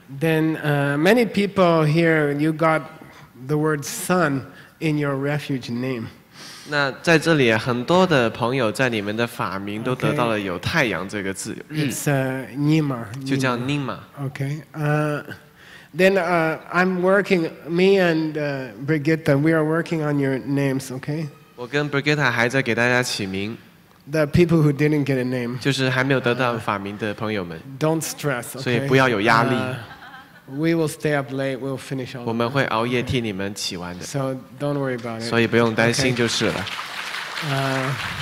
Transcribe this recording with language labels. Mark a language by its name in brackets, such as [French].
[English] Then many people here, you got the word sun in your refuge name. [Chinese] 那在这里很多的朋友在你们的法名都得到了有太阳这个字。 [English] Okay. It's Nima. [Chinese] 就叫 Nima. [English] Okay. Then I'm working, me and Brigitte, we are working on your names, okay? [Chinese] 我跟 Brigitte 还在给大家起名。 [English] The people who didn't get a name. [Chinese] 就是还没有得到法名的朋友们。 [English] Don't stress, okay? [Chinese] 所以不要有压力。 [English] We will stay up late, we'll finish all. [Chinese] 我们会熬夜替你们起完的。 [English] So don't worry about it. [Chinese] 所以不用担心就是了。